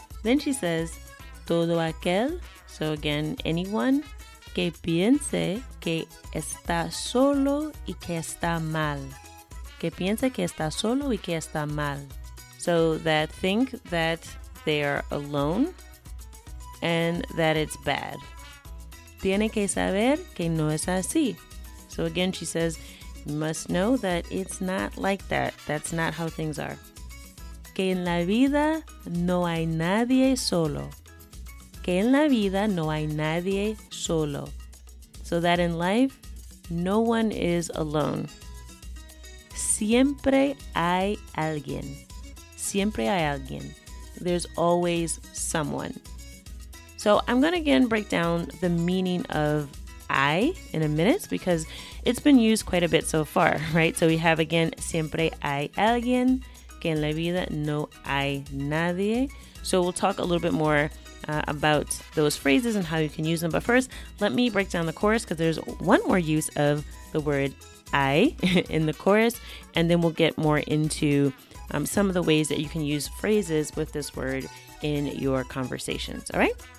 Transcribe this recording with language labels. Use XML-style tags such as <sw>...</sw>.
<en>Then she says,</en> <es>todo aquel,</es> <en>so again, anyone,</en> <es>que piense que está solo y que está mal. Que piense que está solo y que está mal.</es> <en>So that think that they are alone and that it's bad.</en> <es>Tiene que saber que no es así.</es> <en>So again, she says, you must know that it's not like that. That's not how things are.</en> <es>Que en la vida no hay nadie solo. Que en la vida no hay nadie solo.</es> <en>So that in life, no one is alone.</en> <es>Siempre hay alguien. Siempre hay alguien.</es> <en>There's always someone. So I'm going to again break down the meaning of hay in a minute because it's been used quite a bit so far, right? So we have again,</en> <es>siempre hay alguien, que en la vida no hay nadie.</es> <en>So we'll talk a little bit more about those phrases and how you can use them. But first, let me break down the chorus because there's one more use of the word hay in the chorus. And then we'll get more into some of the ways that you can use phrases with this word in your conversations, all right?</en>